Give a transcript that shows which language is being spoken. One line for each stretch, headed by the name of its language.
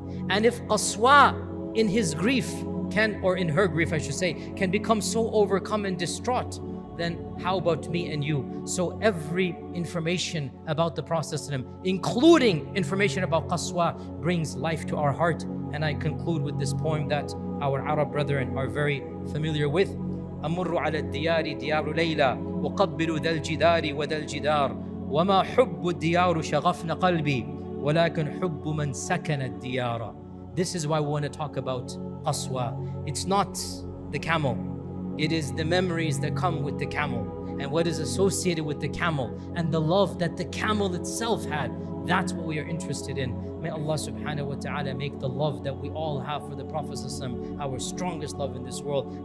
English: And if Qaswa in his grief can, or in her grief I should say, can become so overcome and distraught, then how about me and you? So every information about the Prophet sallallahu alaihi wasallam, including information about Qaswa, brings life to our heart. And I conclude with this poem that our Arab brethren are very familiar with.
Arabic: أمر على الديار ديار ليلى وقبل ذا الجدار وذا الجدار وما حب الديار شغفن قلبي ولكن حب من سكن الديار.
English: This is why we want to talk about Qaswa. It's not the camel. It is the memories that come with the camel, and what is associated with the camel, and the love that the camel itself had. That's what we are interested in. May Allah subhanahu wa ta'ala make the love that we all have for the Prophet our strongest love in this world.